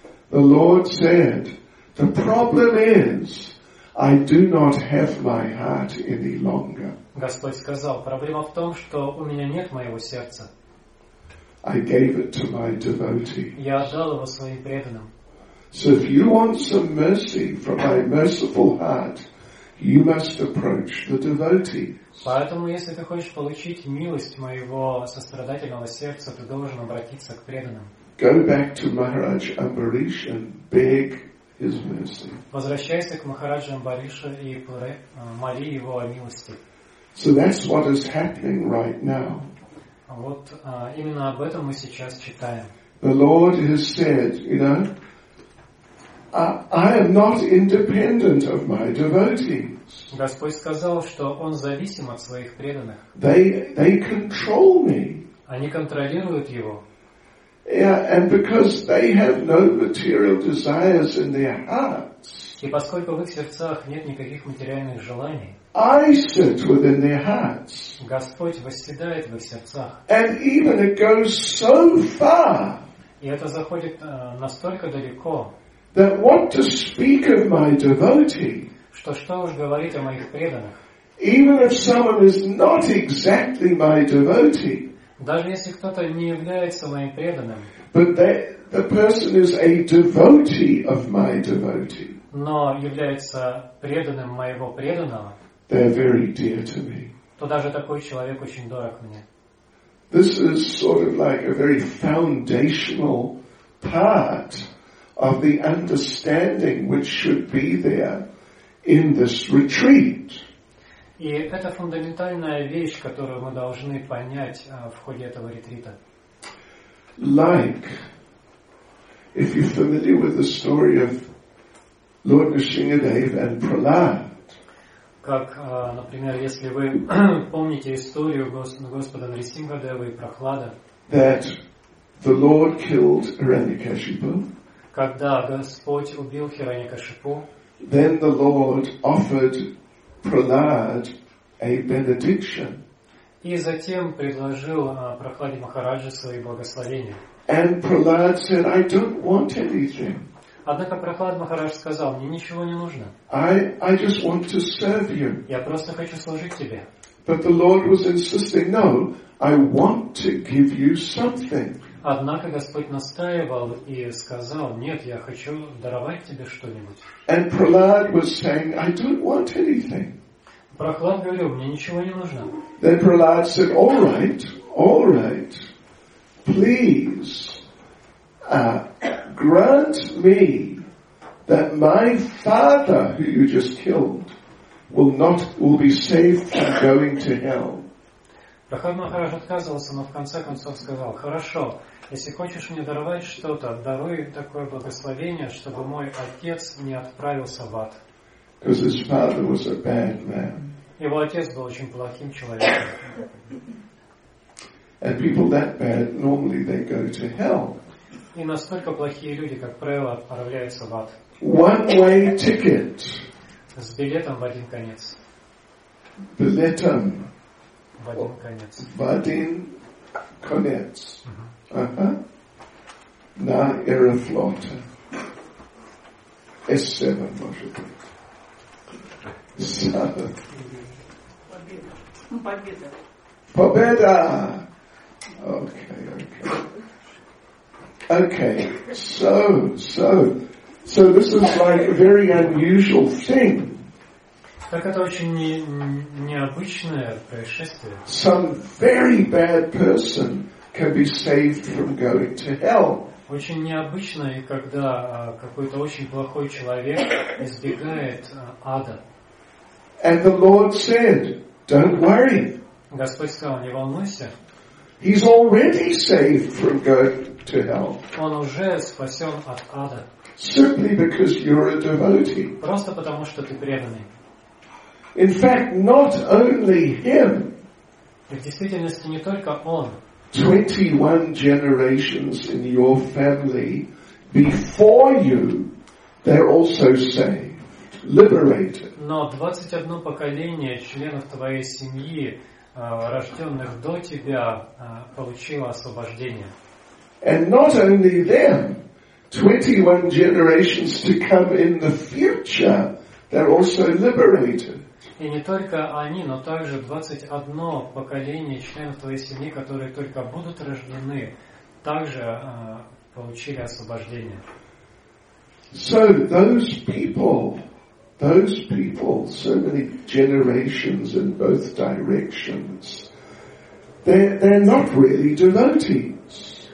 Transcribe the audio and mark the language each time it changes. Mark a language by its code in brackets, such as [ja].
[en] The Lord said, the problem is, I do not have my heart any longer. [ru] Господь сказал, проблема в том, что у меня нет моего сердца. [en] I gave it to my devotees. [ru] Я отдал его своим преданным. [en] So if you want some mercy from my merciful heart, you must approach the devotees. [ru] Поэтому, если ты хочешь получить милость моего сострадательного сердца, ты должен обратиться к преданным. [en] Go back to Maharaj Ambarish and beg his mercy. [ru] Возвращайся к Махараджу Амбаришу и моли его о милости. [en] So that's what is happening right now. [ru] Вот именно об этом мы сейчас читаем. [en] The Lord has said, I am not independent of my devotees. [ru] Господь сказал, что он зависим от своих преданных. [en] They control me. [ru] Они контролируют его. [en] Yeah, and because they have no material desires in their hearts. [ru] И поскольку в их сердцах нет никаких материальных желаний. [en] I sit within their hearts. [ru] Господь восседает в их сердцах. [en] And even it goes so far. [ru] И это заходит настолько далеко. [en] That what to speak of my devotee. [ru] Что уж говорить о моих преданных. [en] Even if someone is not exactly my devotee. [ru] Даже если кто-то не является моим преданным. [en] But that the person is a devotee of my devotee. [ru] Но является преданным моего преданного. [en] They're very dear to me. [ru] То даже такой человек очень дорог мне. [en] This is sort of like a very foundational part of the understanding which should be there in this retreat. [ru] И это фундаментальная вещь, которую мы должны понять в ходе этого ретрита. [en] Like, if you're familiar with the story of Lord Nrsingadev and Prahlad. [ru] Как, например, если вы помните историю Господа Нрсингхадевы и Прохлада, [en] that the Lord killed Hiranyakashipu, [ru] когда Господь убил Хираньякашипу, [en] then the Lord offered Prahlad a benediction. [ru] И затем предложил Прохладе Махараджи свои благословения. [en] And Prahlad said, I don't want anything. [ru] Однако Прохлад Махарадж сказал, мне ничего не нужно. [en] I just want to serve you. [ru] Я просто хочу служить тебе. [en] But the Lord was insisting, no, I want to give you something. [ru] Однако Господь настаивал и сказал, нет, я хочу даровать тебе что-нибудь. [en] And Prahlad was saying, I don't want anything. [ru] Прохлад говорил, мне ничего не нужно. [en] Then Prahlad said, all right, please. Grant me that my father, who you just killed, will be saved from going to hell. [ru] Прохлад Махарадж отказывался, но в конце концов сказал: «Хорошо, если хочешь мне даровать что-то, даруй такое благословение, чтобы мой отец не отправился в ад». [en] Because his father was a bad man. [ru] Его отец был очень плохим человеком. [en] And people that bad normally they go to hell. [ru] И настолько плохие люди, как правило, отправляются в ад. [en] One-way ticket. [ru] С билетом в один конец. Билетом. В один конец. В один конец. На Аэрофлоте. S7, может быть. Победа. Окей. [en] Okay, so this is like a very unusual thing. [ru] Так это очень необычное происшествие. [en] Some very bad person can be saved from going to hell. [ru] Очень необычно, когда какой-то очень плохой человек избегает ада. [en] And the Lord said, "Don't worry." [ru] Господь сказал, не волнуйся. [en] He's already saved from going to hell. [ru] Он уже спасен от ада. [en] Simply because you're a devotee. [ru] Просто потому, что ты преданный. [en] In fact, not only him. [ru] В действительности не только он. [en] 21 generations in your family before you, they're also saved, liberated. [ru] Но 21 поколение членов твоей семьи, рожденных до тебя, получило освобождение. [en] And not only them, 21 generations to come in the future, they're also liberated. [ru] И не только они, но также 21 поколение членов твоей семьи, которые только будут рождены, также получили освобождение. [en] So those people, so many generations in both directions, they're not really devotees.